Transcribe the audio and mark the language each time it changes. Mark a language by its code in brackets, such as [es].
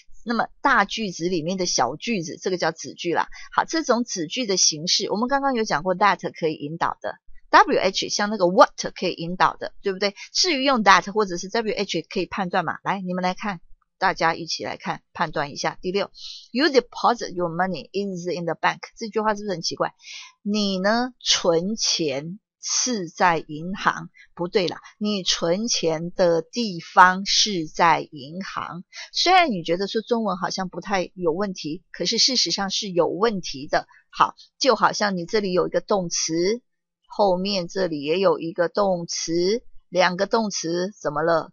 [zh] 那么大句子里面的小句子，这个叫子句啦。好，这种子句的形式，我们刚刚有讲过 that 可以引导的 ，wh 像那个 what 可以引导的，对不对？至于用 that 或者是 wh 可以判断嘛？来，你们来看，大家一起来看，判断一下。 [en] 第六 ，you deposit your money is in the bank， [zh] 这句话是不是很奇怪？你呢，存钱是在银行，不对啦，你存钱的地方是在银行。虽然你觉得说中文好像不太有问题，可是事实上是有问题的。好，就好像你这里有一个动词，后面这里也有一个动词，两个动词怎么了？